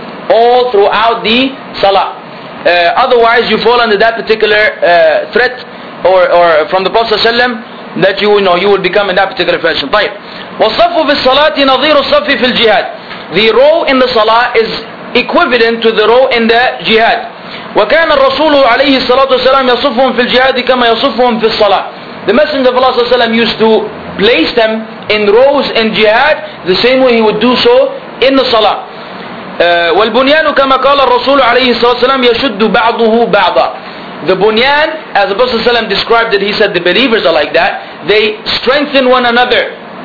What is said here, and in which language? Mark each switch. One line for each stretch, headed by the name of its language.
English: All throughout the salah. Otherwise you fall under that particular threat or from the Prophet ﷺ that you will know, you will become in that particular fashion.
Arabic: طيب. وَالصَّفُ فِي الصَّلَاةِ نَظِيرُ الصَّفِ فِي الْجِهَادِ.
English: The row in the salah is equivalent to the row in the jihad.
Arabic: وكان الرسول عليه الصلاة والسلام يصفهم في الجهاد كما يصفهم في الصلاة.
English: The Messenger of Allah صلى الله عليه وسلم used to place them in rows in jihad the same way he would do so in the salah.
Arabic: والبنيان كما قال الرسول عليه الصلاة والسلام يشد بعضه بعضا.
English: The bunyan, as the Prophet صلى الله عليه وسلم described it, he said the believers are like that. They strengthen one another.